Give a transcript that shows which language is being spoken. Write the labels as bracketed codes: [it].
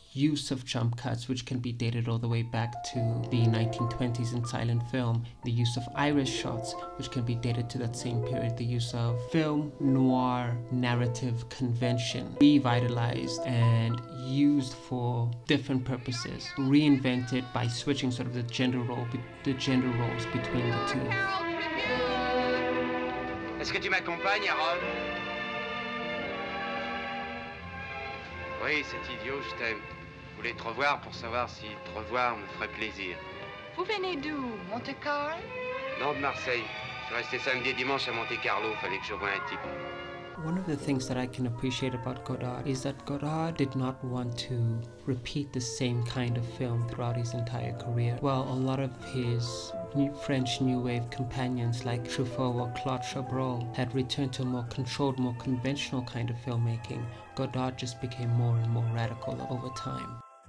[en] use of jump cuts, which can be dated all the way back to the 1920s in silent film, the use of iris shots, which can be dated to that same period, the use of film noir narrative convention, revitalized and used for different purposes, reinvented by switching sort of the gender roles between the two. [fr] Est-ce que tu m'accompagnes, Aaron? Oui, c'est idiot, je t'aime. Je voulais te revoir pour savoir si te revoir me ferait plaisir. Vous venez d'où, Monte Carlo? Non, de Marseille. Je suis resté samedi et dimanche à Monte Carlo. Fallait que je voie un type. [en] One of the things that I can appreciate about Godard is that Godard did not want to repeat the same kind of film throughout his entire career. While a lot of his French New Wave companions like Truffaut or Claude Chabrol had returned to a more controlled, more conventional kind of filmmaking, Godard just became more and more radical over time.